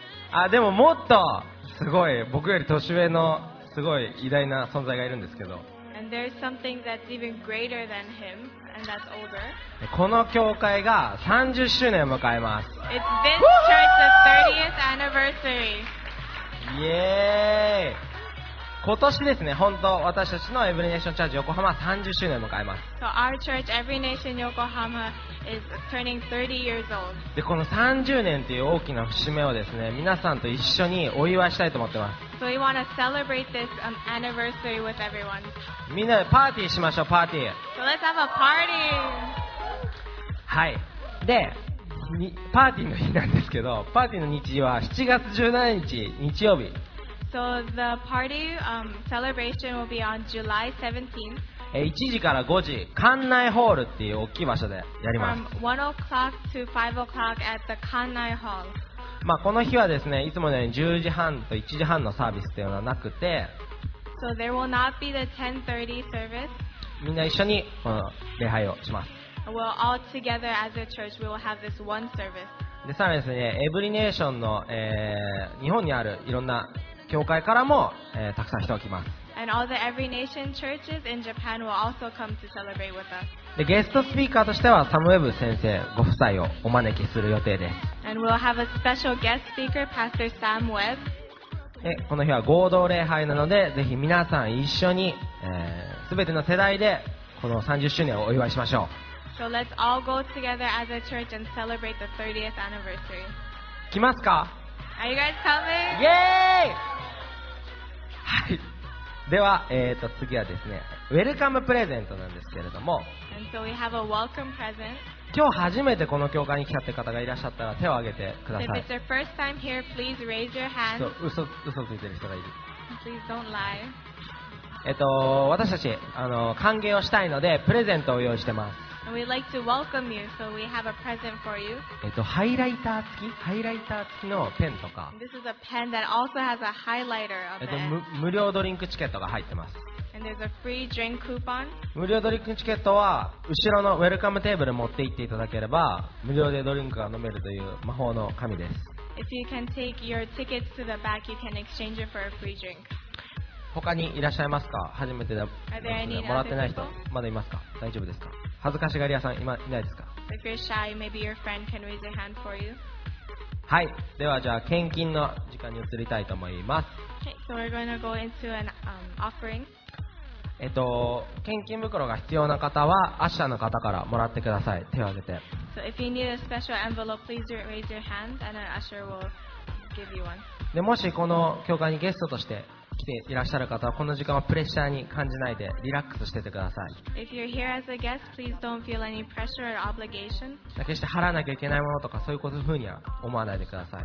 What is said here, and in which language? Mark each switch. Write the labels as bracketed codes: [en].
[ja] あ、でももっとすごい僕より年上のすごい偉大な存在がいるんですけど。 A [en] And there's something that's even greater than him, and that's older. [ja] この教会が30周年を迎えます。 [en] It's this church's 30th anniversary. [ja] イエーイ。今年ですね、本当私たちのエブリネーションチャージ横浜は30周年を迎えます。 [en] So our church, Every Nation Yokohama, is turning 30 years old. [ja] で、この30年という大きな節目をですね、皆さんと一緒にお祝いしたいと思ってます。 [en] So we want to celebrate this anniversary with everyone. [ja] みんなでパーティーしましょう、パーティー。 [en] So let's have a party! [ja] はい。で、パーティーの日なんですけど、パーティーの日時は7月17日、日曜日。 [en] So the party celebration will be on July 17th. [ja] 1時から5時、館内ホールっていう大きい場所でやります。 [en] From 1 o'clock to 5 o'clock at the 館内 hall. [ja] まあこの日はですね、いつものように10時半と1時半のサービスっていうのはなくて、 [en] So there will not be the 10:30 service. [ja] みんな一緒にこの礼拝をします。 [en] Well, all together as a church, we will have this one service. [ja] でさらにですね、エブリネーションの、日本にあるいろんな教会からも、たくさん人が来ます。 [en] And all the Every Nation churches in Japan will also come to celebrate with us. [ja] で、ゲストスピーカーとしてはサムウェブ先生ご夫妻をお招きする予定です。 [en] And we'll have a special guest speaker, Pastor Sam Webb. [ja] で、この日は合同礼拝なので、ぜひ皆さん一緒に、全ての世代でこの30周年をお祝いしましょう。 [en] So let's all go together as a church and celebrate the 30th anniversary. [ja] 来ますか？ [en] Are you guys coming? [ja] Yay! はい。では、次はですね、ウェルカムプレゼントなんですけれども、 [en] And so we have a welcome present. [ja] 今日初めてこの教会に来たって方がいらっしゃったら手を挙げてください。 [en] If it's your first time here, please raise your hand. [ja] そう、嘘ついてる人がいる。 [en] Please don't lie. [ja] 私たち、歓迎をしたいので、プレゼントを用意してます。 [en] And we'd like to welcome you, so we have a present for you. [ja] ハイライター付きのペンとか。 [en] This is a pen that also has a highlighter on it. [ja] 無料ドリンクチケットが入ってます。 [en] And there's a free drink coupon. [ja] 無料ドリンクチケットは、後ろのウェルカムテーブル持って行っていただければ、無料でドリンクが飲めるという魔法の紙です。 [en] If you can take your tickets to the back, you can exchange it for a free drink. [ja] 他にいらっしゃいますか？初めてでもらってない人、まだいますか？大丈夫ですか？恥ずかしがり屋さん、今いないですか？ [en] If you're shy, maybe your friend can raise a hand for you. [ja] はい、ではじゃあ献金の時間に移りたいと思います。 [en] Okay, so we're going to go into an offering. [ja] 献金袋が必要な方は、アッシャーの方からもらってください。手を挙げて。 [en] So if you need a special envelope, please raise your hand and an usher will give you one. [ja] で、もしこの教会にゲストとして、来ていらっしゃる方はこの時間はプレッシャーに感じないでリラックスしててください。 [en] If you're here as a guest, please don't feel any pressure or obligation. [ja] 決して払わなきゃいけないものとかそういうことふうには思わないでください。